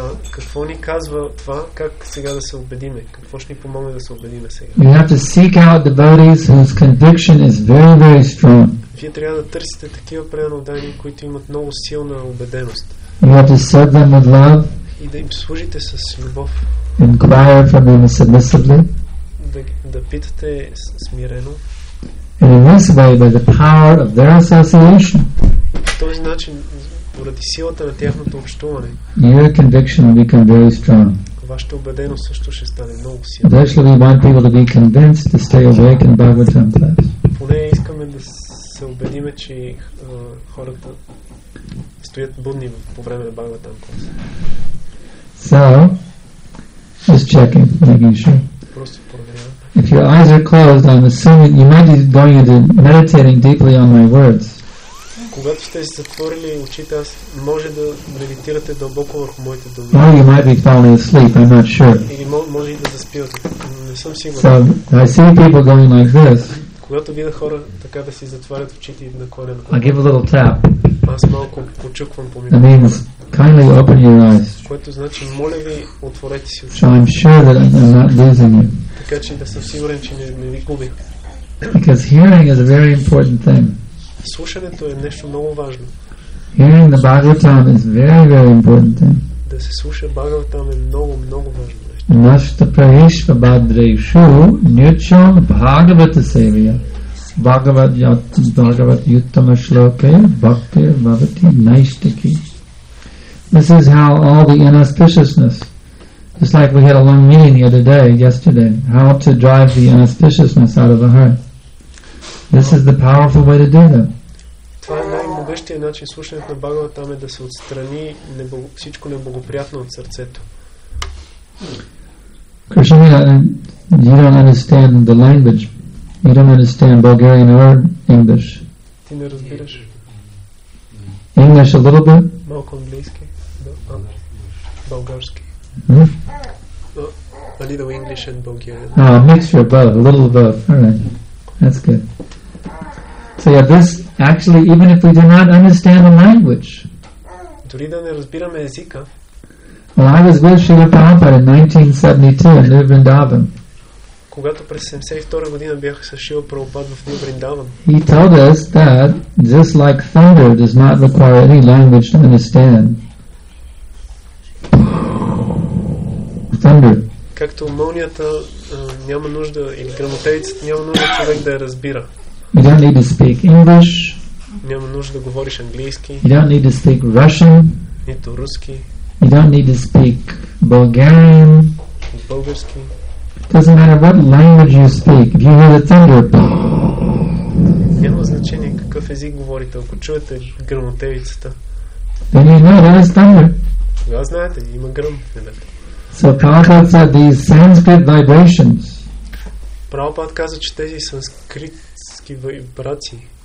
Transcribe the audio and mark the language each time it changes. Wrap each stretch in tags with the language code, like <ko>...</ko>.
<bg>Какво ни казва това, как сега да се убедиме? Какво ще ни помогне да се убедиме сега?</bg> <en>We have to seek out devotees whose conviction is very, very strong.</en> <bg>Вие трябва да търсите такива преданодани, които имат много силна убеденост.</bg> <en>You have to serve them with love.</en> <bg>И да им служите с любов.</bg> <en>Inquire from them submissively.</en> <bg>Да питате смирено.</bg> <en>And in this way, by the power of their association,</en> <bg>този начин, поради силата на тяхното общуване,</bg> <en>your conviction will become very strong.</en> <bg>Вашата убеденост също ще стане много силна.</bg> <en>Eventually, we want people to be convinced to stay awake in Bhagavatam class.</en> <bg>Поне искаме да се убедиме, че хората стоят будни по време на Бхагаватам клас.</bg> <en>So, just checking, making sure.</en> <bg>Просто проверявам.</bg> <en>If your eyes are closed, I'm assuming you might be going into meditating deeply on my words.</en> <bg>Когато сте затворили очите, аз може да медитирате дълбоко върху моите думи.</bg> <en>Or you might be falling asleep, I'm not sure.</en> <bg>Или може и да заспивате, не съм сигурен.</bg> <en>So, I see people going like this.</en> <bg>Когато видя хора така да си затварят очите и наклонят глава.</bg> <en>I give a little tap.</en> <bg>Аз малко почуквам по микрофона.</bg> <en>That means, kindly open your eyes.</en> <bg>Което значи, моля ви, отворете си очите.</bg> <en>So I'm sure that I'm not losing you.</en> <bg>Така че да съм сигурен, че не ви губи.</bg> <en>Because hearing is a very important thing.</en> <bg>Слушането е нещо много важно.</bg> <en>Hearing the Bhagavatam is very, very important thing.</en> <bg>Да се слуша Бхагаватам е много, много важно.</bg> <sa>Нашата прайшва бадрейшу нючам Бхагавата севия. Бхагават юттама шлоке бхакти бхавати найштики.</sa> <en>This is how all the inauspiciousness. Just like we had a long meeting the other day, yesterday, how to drive the inauspiciousness out of the heart. This is the powerful way to do that.</en> <bg>Това е най-могъщия начин слушането на Бхагаватам е да се отстрани всичко неблагоприятно от сърцето.</bg> <en>Кришна, you don't understand the language. You don't understand Bulgarian or English.</en> <bg>Ти не разбираш.</bg> <en>English a little bit.</en> <bg>Малко английски. Български. Hmm?</bg> <en>A little English and Bulgarian. Ah, a mixture of both, a little of both. All right, that's good. So yeah, this actually, even if we do not understand the language.</en> <bg>Дори да не разбираме езика.</bg> <en>Well, I was with Srila Prabhupada in 1972 in New Vrindavan.</en> <bg>Когато през 72-а година бях с Шрила Прабхупада в Ню Вриндаван.</bg> <en>He told us that just like thunder does not require any language to understand. Thunder.</en> <bg>Както мълнията няма нужда или гръмотевицата няма нужда човек да я разбира.</bg> <en>You don't need to speak English.</en> <bg>Няма нужда да говориш английски.</bg> <en>You don't need to speak Russian.</en> <bg>Нито руски.</bg> <en>You don't need to speak Bulgarian.</en> <bg>Български.</bg> <en>It doesn't matter what language you speak. If you hear the thunder,</en> <bg>няма значение какъв език говорите, ако чуете гръмотевицата.</bg> <en>Then you know there is thunder.</en> <bg>Тогава знаете, има гръм в небето.</bg> <en>So Prabhupada said these Sanskrit vibrations.</en> <bg>Prabhupada каза, че тези санскритски вибрации.</bg>